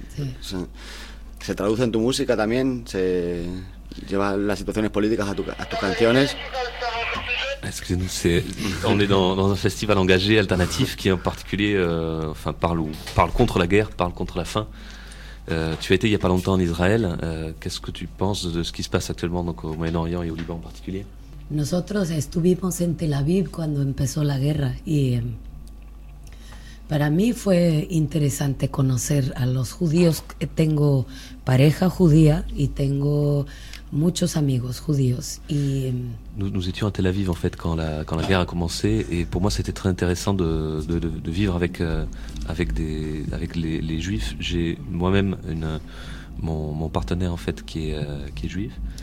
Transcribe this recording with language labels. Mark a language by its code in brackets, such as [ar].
[es] Sí. ¿Se traduce en tu música también? ¿Se lleva las situaciones políticas a tus canciones? [fr] Excusez-nous, on est dans un festival engagé, alternatif, qui en particulier enfin, parle contre la guerre, parle contre la faim. Tu as été il n'y a pas longtemps en Israël. Qu'est-ce que tu penses de ce qui se passe actuellement donc, au Moyen-Orient et au Liban en particulier? [es] Nosotros estuvimos en Tel Aviv cuando empezó la guerra y para mí fue interesante conocer a los judíos. Tengo pareja judía y tengo muchos amigos judíos. Y [fr] nous étions à Tel Aviv en fait quand la guerre a commencé et pour moi c'était très intéressant de vivre avec les juifs. J'ai moi-même mon partenaire en fait qui est juif.